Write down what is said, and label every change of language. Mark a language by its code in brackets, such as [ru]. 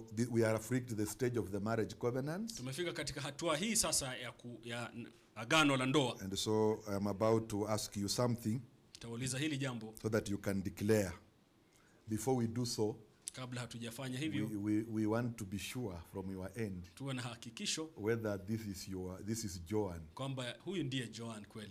[en] we are freaked the stage of the marriage covenant. [sw] Tumefika katika hatua hii sasa ya agano la ndoa. [en] And so I'm about to ask you something. [sw] Tauliza hili jambo. [en] So that you can declare. Before we do so, [sw] kabla hatujafanya hivyo, [en] we want to be sure from your end. [sw] Tuwe na hakikisho [en] whether this is Joan. [sw] Kwamba huyu ndiye Joan kweli.